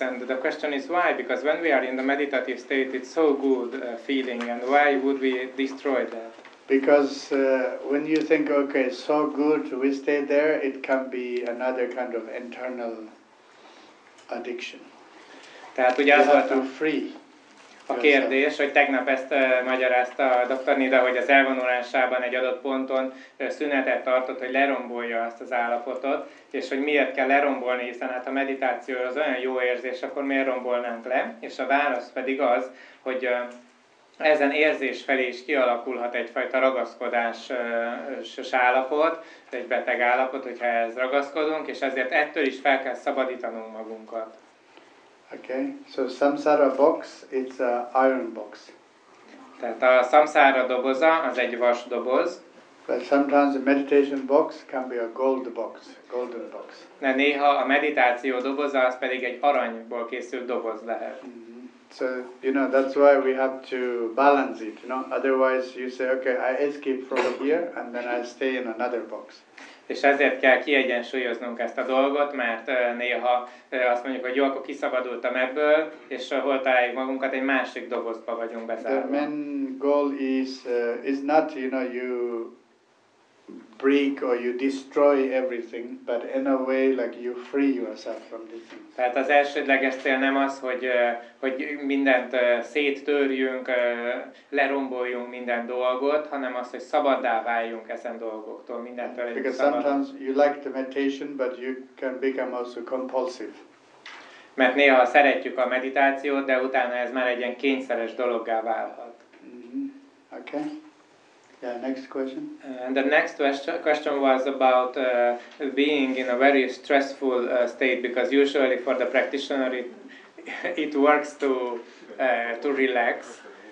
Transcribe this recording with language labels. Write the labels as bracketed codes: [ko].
[en] And the question is why? Because when we are in the meditative state, it's so good feeling, and why would we destroy that? Because when you think, okay, so good, we stay there, it can be another kind of internal addiction. [hu] Tehát ugye az volt a kérdés, hogy tegnap ezt magyarázta a doktor Nida, hogy az elvonulásában egy adott ponton szünetet tartott, hogy lerombolja azt az állapotot, és hogy miért kell lerombolni, hiszen hát a meditáció az olyan jó érzés, akkor miért rombolnánk le? És a válasz pedig az, hogy ezen érzés felé is kialakulhat egyfajta ragaszkodásos állapot, egy beteg állapot, hogyha ehhez ragaszkodunk, és ezért ettől is fel kell szabadítanunk magunkat. [en] Okay, so samsara box, it's an iron box. [hu] Tehát a samsara doboza, az egy vas doboz. [en] But sometimes a meditation box can be a gold box, golden box. [hu] De néha a meditáció doboza, az pedig egy aranyból készült doboz lehet. Mm-hmm. [en] So, you know, that's why we have to balance it, you know. Otherwise you say, okay, I escape from here and then I stay in another box. [hu] És ezért kell kiegyensúlyoznunk ezt a dolgot, mert néha azt mondjuk, hogy jó, akkor kiszabadultam ebből, és hol találjuk magunkat, egy másik dobozba vagyunk bezárva. [en] The main goal is not, you know, you break or you destroy everything, but in a way like you free yourself from this. [hu] Tehát az elsődleges cél nem az, hogy mindent széttörjünk, leromboljunk minden dolgot, hanem az, hogy szabaddá váljunk ezen dolgoktól, mindentől. [en] Because sometimes you like the meditation, but you can become also compulsive. [hu] Mert néha szeretjük a meditációt, de utána ez már egy ilyen kényszeres dologgá válhat. [en] Mm-hmm. Okay. Yeah, next question. And the next question was about being in a very stressful state, because usually for the practitioner it works to relax.